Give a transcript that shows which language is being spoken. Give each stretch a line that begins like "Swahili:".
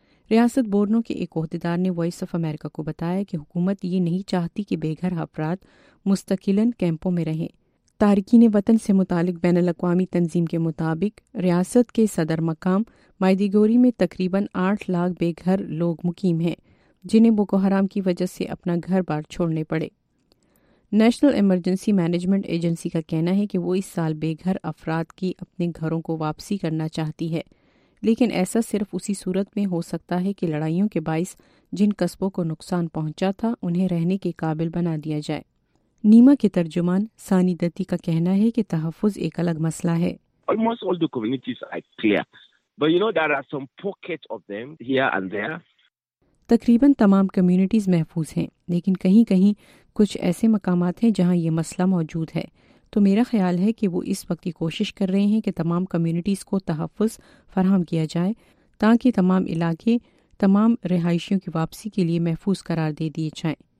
Urdu: ریاست بورنو کے ایک عہدیدار نے وائس آف امریکہ کو بتایا کہ حکومت یہ نہیں چاہتی کہ بے گھر افراد مستقلاً کیمپوں میں رہیں۔ تارکین وطن سے متعلق بین الاقوامی تنظیم کے مطابق ریاست کے صدر مقام مائیدگوری میں تقریباً 8 لاکھ بے گھر لوگ مقیم ہیں جنہیں بوکو حرام کی وجہ سے اپنا گھر بار چھوڑنے پڑے۔ نیشنل ایمرجنسی مینجمنٹ ایجنسی کا کہنا ہے کہ وہ اس سال بے گھر افراد کی اپنے گھروں کو واپسی کرنا چاہتی ہے۔ لیکن ایسا صرف اسی صورت میں ہو سکتا ہے کہ لڑائیوں کے باعث جن قصبوں کو نقصان پہنچا تھا انہیں رہنے کے قابل بنا دیا جائے۔ نیما کے ترجمان سانی دتی کا کہنا ہے کہ تحفظ ایک الگ مسئلہ ہے۔
English: Almost all the communities are clear. But you know, there are some pockets of them here and there.
Urdu: تقریباً تمام کمیونٹیز محفوظ ہیں، لیکن کہیں کہیں کچھ ایسے مقامات ہیں جہاں یہ مسئلہ موجود ہے۔ تو میرا خیال ہے کہ وہ اس وقت کی کوشش کر رہے ہیں کہ تمام کمیونٹیز کو تحفظ فراہم کیا جائے تاکہ تمام علاقے تمام رہائشیوں کی واپسی کے لیے محفوظ قرار دے دیے جائیں۔